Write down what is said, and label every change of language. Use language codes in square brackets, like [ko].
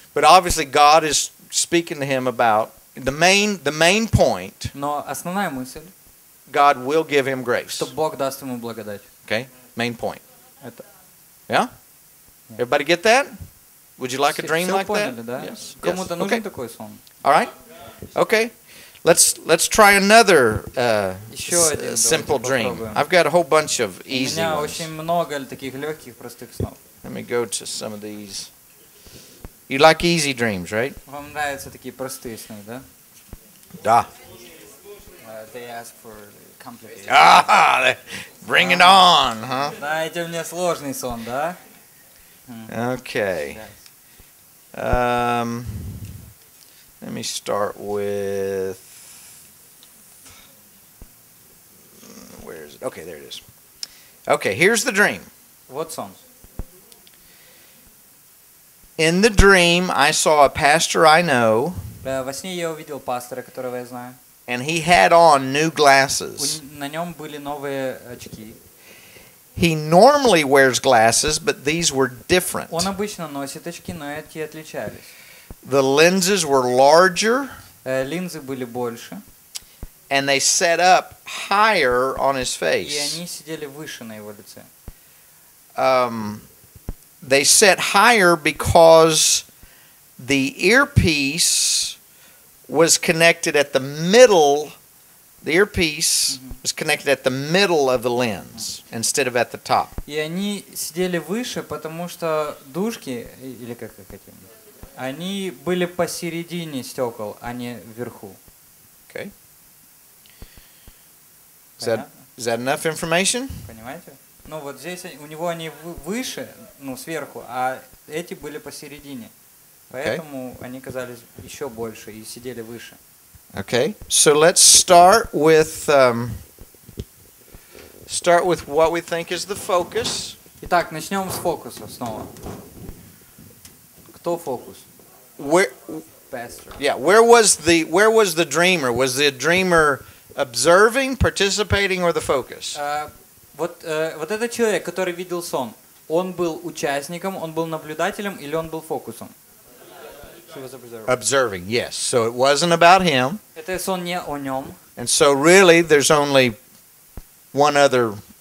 [en] But obviously God is speaking to him about the main point. [ru] Но основная мысль. [en] God will give him grace. [ru] Что Бог даст ему благодать. [en] Okay? Main point. [ru] Это. [en] Yeah? Everybody get that? Would you like a dream like [ru] поняли, Да? [en] Yes. [ru] Кому-то [en] yes. [ru] Нужен [en] okay. [ru] Такой сон. [en] All right? Okay. Let's try another simple dream. I've got a whole bunch of easy ones. [ru] У меня очень много таких легких простых снов. [en] Let me go to some of these. You like easy dreams, right? [ru] Вам нравятся такие простые сны, да? Да. [en] They ask for complicated. Ah, bring it on, huh? [ru] Дайте мне сложный сон, да? [en] Okay. Let me start with. Where is it? Okay, there it is. Okay, here's the dream. What songs? In the dream, I saw a pastor I know. [ru] Во сне я увидел пастора, которого я знаю. [en] And he had on new glasses. [ru] На нем были новые очки. [en] He normally wears glasses, but these were different. [ru] Он обычно носит очки, но эти отличались. [en] The lenses were larger. [ru] Линзы были больше. [en] And they set up higher on his face. [ru] И они сидели выше на его лице. [en] They set higher because the earpiece was connected at the middle. The earpiece was connected at the middle of the lens instead of at the top. [ru] И они сидели выше, потому что дужки или как их хотим, они были посередине стекол, а не вверху. [en] Okay. Is that enough information? [ru] Понимаете? Ну вот здесь у него они выше, ну сверху, а эти были посередине. Поэтому они казались еще больше и сидели выше. [en] Okay. So let's start with what we think is the focus. [ru] Итак, начнем с фокуса снова. Кто фокус? Pastor. [en] Yeah, where was the dreamer? Was the dreamer observing, participating, or the focus? [ru] Вот этот человек, который видел сон, он был участником, он был наблюдателем, или он был фокусом? [en] Observing, yes. So it wasn't about him. [ru] Это сон не о нем. [en] And so really, there's only one other